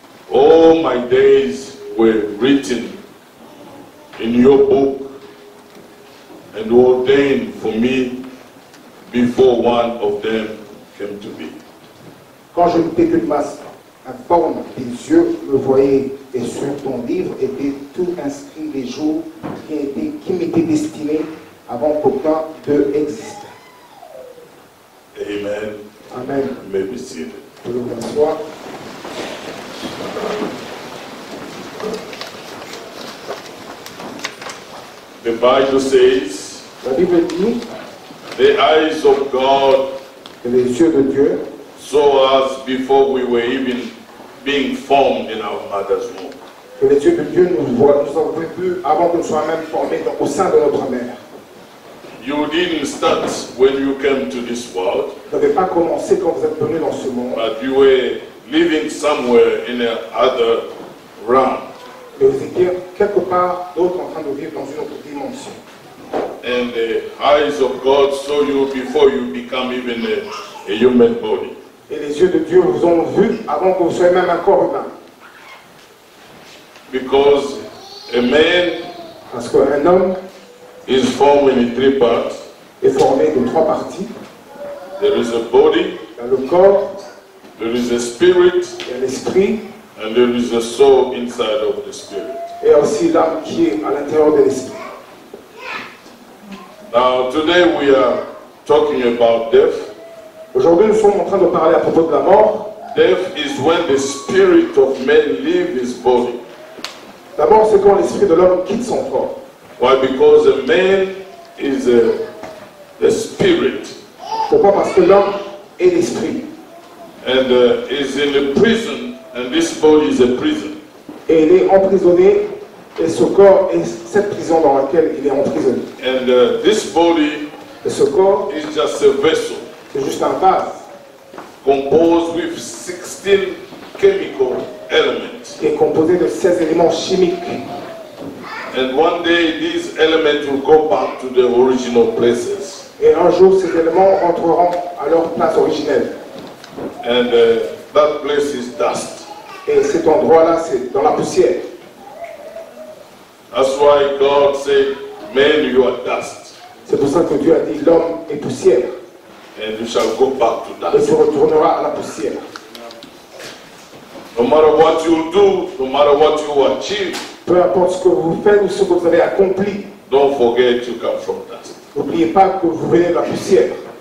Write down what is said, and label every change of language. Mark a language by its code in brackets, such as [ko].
[en] All my days were written in your book and ordained for me before one of them came to be. [fr] Quand je n'étais qu'une masse informe, tes yeux me voyaient, et sur ton livre était tout inscrit les jours qui m'étaient destinés avant qu'aucun d'eux existe. [en] Amen. [fr] Amen. [en] May be seated. [fr] Que l'on soit. [en] The Bible says, [fr] la Bible dit, [en] the eyes of God, [fr] les yeux de Dieu, [en] saw us before we were even being formed in our mother's womb. [fr] Que les yeux de Dieu nous ont vu avant que nous soyons même formés au sein de notre mère. [en] You didn't start when you came to this world. [fr] Vous n'avez pas commencé quand vous êtes venu dans ce monde. [en] But you were living somewhere in another realm. [fr] Et vous étiez quelque part d'autre en train de vivre dans une autre dimension. [en] And the eyes of God saw you before you become even a human body. [fr] Et les yeux de Dieu vous ont vu avant que vous soyez même un corps humain. [en] Because a man, [fr] parce qu'un homme, [en] is formed in three parts. [fr] Est formé de trois parties. [en] There is a body. [fr] Il y a le corps. [en] There is a spirit. [fr] Il y a l'esprit. [en] And there is a soul inside of the spirit. [fr] Et aussi l'âme qui est à l'intérieur de l'esprit. [en] Now today we are talking about death. [fr] Aujourd'hui, nous sommes en train de parler à propos de la mort. [en] Death is when the spirit of man leaves his body. [fr] La mort, c'est quand l'esprit de l'homme quitte son corps. [en] Why? Because a man is a spirit. [fr] Pourquoi? Parce que l'homme est l'esprit. [en] And is in a prison, and this body is a prison. [fr] Et il est emprisonné Et ce corps est cette prison dans laquelle il est emprisonné. [en] And this body [fr] et ce corps [en] is just a vessel. [fr] C'est juste un vase. [en] Composed with 16 chemical elements. [fr] Qui est composé de 16 éléments chimiques. [en] And one day these elements will go back to their original places. [fr] Et un jour ces éléments rentreront à leur place originelle. [en] And that place is dust. [fr] Et cet endroit-là, c'est dans la poussière. [en] That's why God said, "Man, you are dust." [fr] C'est pour ça que Dieu a dit, l'homme est poussière. [en] And you shall go back to dust. [fr] Et tu retourneras à la poussière. [en] No matter what you do, no matter what you achieve. [fr] Peu importe ce que vous faites ou ce que vous avez accompli. [en] Don't forget you come from dust. [fr] N'oubliez pas que vous venez de la poussière.